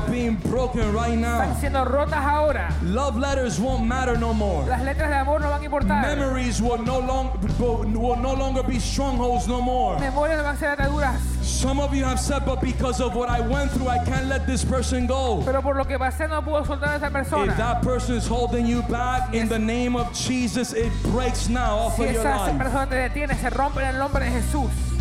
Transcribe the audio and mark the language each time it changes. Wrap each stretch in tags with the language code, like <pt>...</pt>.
<en>are being broken right now.</en> <es>Están siendo rotas ahora.</es> <en>Love letters won't matter no more.</en> <es>Las letras de amor no van a importar.</es> <en>Memories will no longer be strongholds no more.</en> <es>Memorias no van a ser ataduras.</es> <en>Some of you have said, but because of what I went through, I can't let this person go.</en> <es>Pero por lo que pasé, no puedo soltar a esa persona.</es> <en>If that person is holding you back, in the name of Jesus, it breaks now off si of your life.</en> <es>Si esa persona te detiene, se rompe en el nombre de Jesús.</es>